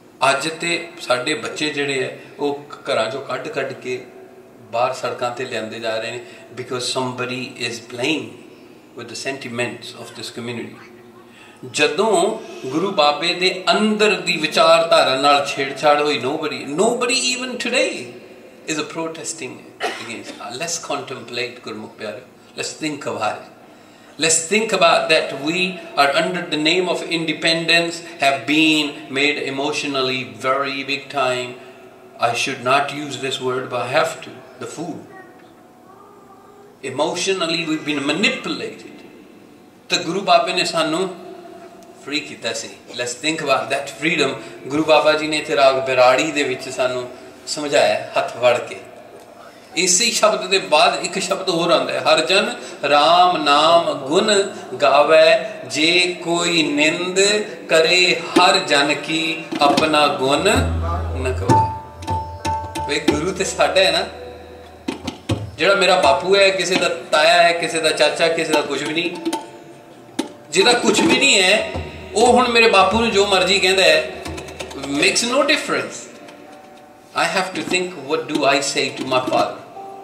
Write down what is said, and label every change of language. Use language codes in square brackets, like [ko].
[pa] ਅੱਜ ਤਾਂ ਸਾਡੇ ਬੱਚੇ ਜਿਹੜੇ ਹੈ ਉਹ ਘਰਾਂ 'ਚੋਂ ਕੱਢ ਕੱਢ ਕੇ ਬਾਹਰ ਸੜਕਾਂ 'ਤੇ ਲਿਆਉਂਦੇ ਜਾ ਰਹੇ ਨੇ, [en] Because somebody is playing with the sentiments of this community. [pa] ਜਦੋਂ ਗੁਰੂ ਬਾਬੇ ਦੇ ਅੰਦਰ ਦੀ ਵਿਚਾਰਧਾਰਾ ਨਾਲ ਛੇੜਛਾੜ ਹੋਈ, [en] Nobody even today is a protesting against. Let's contemplate Gurmukh Pyare. Let's think about it. Let's think about that we are under the name of independence have been made emotionally very big time. I should not use this word, but I have to. The fool. Emotionally we've been manipulated. [pa] The Guru Baba ne sanu free kita si. [en] Let's think about that freedom. [pa] Guru Baba ji ne tirag biradi de vich sanu ਸਮਝਾਇਆ ਹੱਥ ਫੜ ਕੇ. ਇਸੇ ਸ਼ਬਦ ਦੇ ਬਾਅਦ ਇੱਕ ਸ਼ਬਦ ਹੋਰ ਆਉਂਦਾ, ਹਰ ਜਨ ਰਾਮ ਨਾਮ ਗੁਣ ਗਾਵੈ, ਜੇ ਕੋਈ ਨਿੰਦ ਕਰੇ ਹਰ ਜਨ ਕੀ ਆਪਣਾ ਗੁਣ ਨਕਵਾ. ਵੇ ਗੁਰੂ ਤੇ ਸਾਡਾ ਹੈ ਨਾ, ਜਿਹੜਾ ਮੇਰਾ ਬਾਪੂ ਹੈ, ਕਿਸੇ ਦਾ ਤਾਇਆ ਹੈ, ਕਿਸੇ ਦਾ ਚਾਚਾ, ਕਿਸੇ ਦਾ ਕੁਛ ਵੀ ਨਹੀਂ, ਜਿਹਦਾ ਕੁਛ ਵੀ ਨਹੀਂ ਹੈ, ਉਹ ਹੁਣ ਮੇਰੇ ਬਾਪੂ ਨੂੰ ਜੋ ਮਰਜ਼ੀ ਕਹਿੰਦਾ ਹੈ, [en] Makes no difference. I have to think, what do I say to my father?